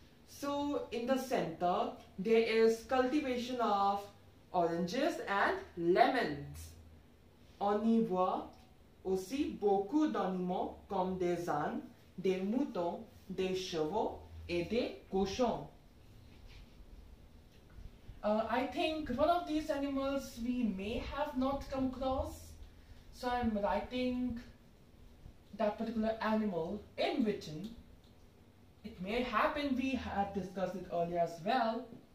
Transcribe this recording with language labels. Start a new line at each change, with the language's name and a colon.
English: So in the center, there is cultivation of oranges and lemons.
French: On y voit aussi beaucoup d'animaux comme des ânes, des moutons, des chevaux, et des cochons.
English: I think one of these animals we may have not come across, so I'm writing that particular animal in written. It may happen we had discussed it earlier as well.